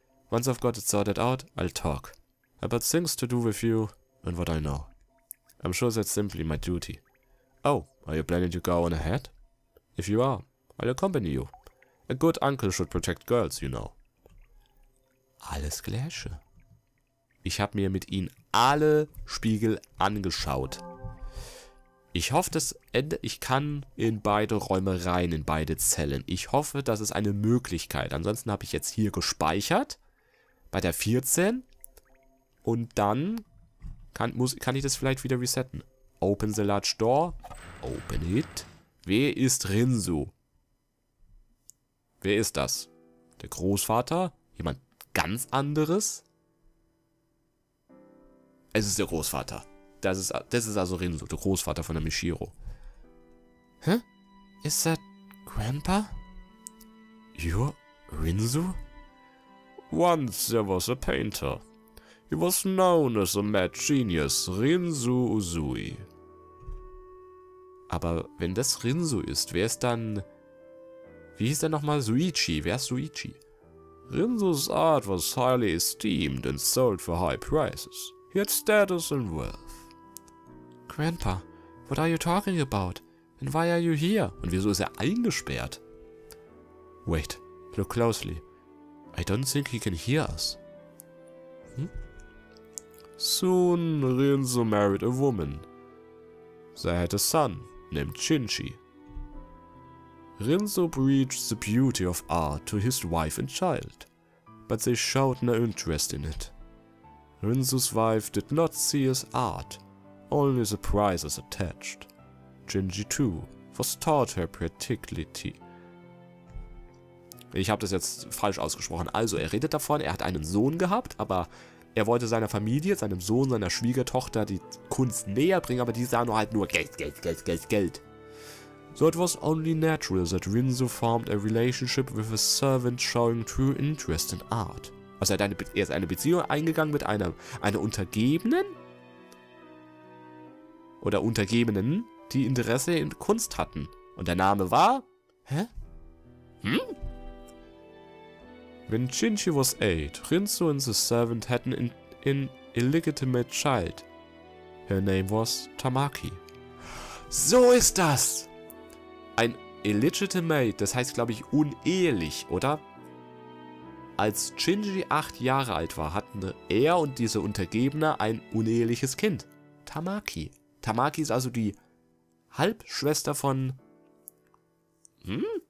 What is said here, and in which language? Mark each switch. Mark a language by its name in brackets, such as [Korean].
[English] Once I've got it sorted out, I'll talk. About things to do with you and what I know. I'm sure that's simply my duty. Oh, are you planning to go on ahead? If you are. I'll accompany you. A good uncle should protect girls, you know. [German] Alles Gläsche. Ich habe mir mit ihnen alle Spiegel angeschaut. Ich hoffe, das Ende. Ich kann in beide Räume rein, in beide Zellen. Ich hoffe, das ist eine Möglichkeit. Ansonsten habe ich jetzt hier gespeichert. Bei der 14. Und dann kann ich das vielleicht wieder resetten. [English] Open the large door. Open it. [German] Wer ist Rinsu? Wer ist das? Der Großvater? Jemand ganz anderes? Es ist der Großvater. Das ist also Rinsu, der Großvater von der Mishiro. [English] Hä? Is that Grandpa? You're Rinsu? Once there was a painter. He was known as a mad genius, Rinsu Uzui. [German] Aber wenn das Rinsu ist, wer ist dann... Wie hieß er nochmal? Suichi. Wer ist Suichi? [English] Rinsu's art was highly esteemed and sold for high prices. He had status and wealth. Grandpa, what are you talking about? And why are you here? [German] Und wieso ist er eingesperrt? [English] Wait, look closely. I don't think he can hear us. Hm? Soon, Rinzo married a woman. They had a son named Shinji. Rinzo preached the beauty of art to his wife and child, but they showed no interest in it. Rinzo's wife did not see his art, only the prizes attached. Shinji too was taught her practicality. [German] Ich habe das jetzt falsch ausgesprochen. Also, er redet davon, er hat einen Sohn gehabt, aber er wollte seiner Familie, seinem Sohn, seiner Schwiegertochter die Kunst näher bringen, aber die sahen halt nur Geld, Geld, Geld, Geld, Geld. [English] So it was only natural that Rinzo formed a relationship with a servant showing true interest in art. [German] Also er ist eine Beziehung eingegangen mit einer Untergebenen? Oder Untergebenen, die Interesse in Kunst hatten. Und der Name war? Hä? Hm? [English] When Shinji was 8, Rinzo and the servant had an illegitimate child. Her name was Tamaki. [German] So ist das! Ein illegitimate, das heißt, glaube ich, unehelich, oder? Als Shinji 8 Jahre alt war, hatten er und diese Untergebene ein uneheliches Kind. Tamaki. Tamaki ist also die Halbschwester von... Hm?